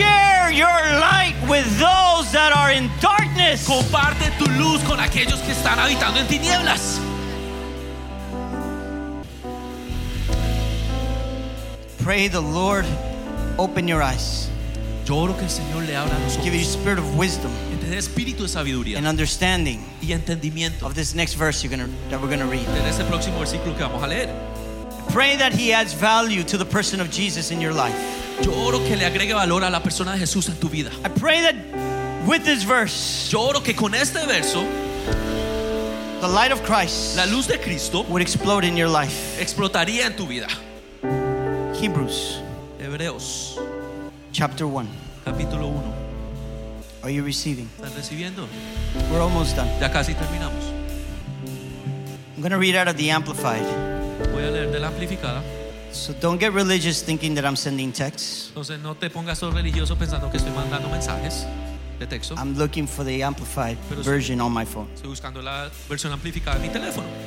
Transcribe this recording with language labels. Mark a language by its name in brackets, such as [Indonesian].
[English] Share your light with those that are in darkness. [Spanish] Comparte tu luz con aquellos que están habitando en tinieblas. [English] Pray the Lord open your eyes. [Spanish] Yo oro que el Señor le abra los ojos. [English] Give you spirit of wisdom. [Spanish] Te dé espíritu de sabiduría. [English] And understanding. [Spanish] Y entendimiento. [English] Of this next verse that we're gonna read. [Spanish] De ese próximo versículo que vamos a leer. [English] Pray that He adds value to the person of Jesus in your life. [Spanish] Yo oro que le agregue valor a la persona de Jesús en tu vida. [English] I pray that with this verse. [Spanish] Yo oro que con este verso. [English] The light of Christ. [Spanish] La luz de Cristo. [English] Would explode in your life. [Spanish] Explotaría en tu vida. [English] Hebrews. [Spanish] Hebreos. [English] Chapter 1. [Spanish] Capítulo 1. [English] Are you receiving? [Spanish] ¿Están recibiendo? [English] We're almost done. [Spanish] Ya casi terminamos. [English] I'm going to read out of the Amplified. [Spanish] Voy a leer de la amplificada. [English] So don't get religious thinking that I'm sending texts. [Spanish] Entonces no te pongas todo religioso pensando que estoy mandando mensajes de texto. [English] I'm looking for the Amplified version on my phone. [Spanish] Estoy buscando la versión amplificada en mi teléfono.